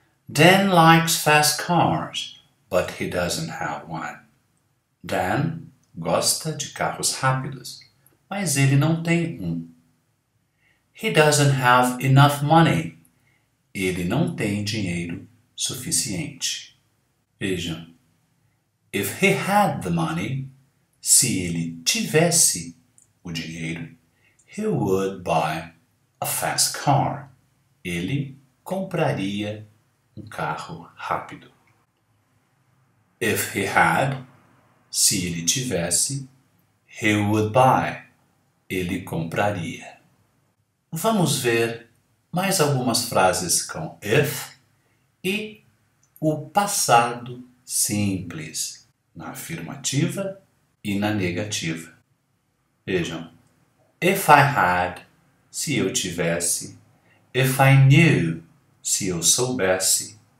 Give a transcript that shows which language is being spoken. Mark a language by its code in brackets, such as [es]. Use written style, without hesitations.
[en] Dan likes fast cars, but he doesn't have one. [pt] Dan gosta de carros rápidos, mas ele não tem um. [en] He doesn't have enough money. [pt] Ele não tem dinheiro suficiente. Vejam. [en] If he had the money, [pt] se ele tivesse o dinheiro, [en] he would buy a fast car. [pt] Ele compraria um carro rápido. [en] If he had, [pt] se ele tivesse, [en] he would buy. [pt] Ele compraria. Vamos ver mais algumas frases com if e o passado simples. Na afirmativa e na negativa. Vejam. [en] If I had, [pt] se eu tivesse. [en] If I knew, [pt] se eu soubesse.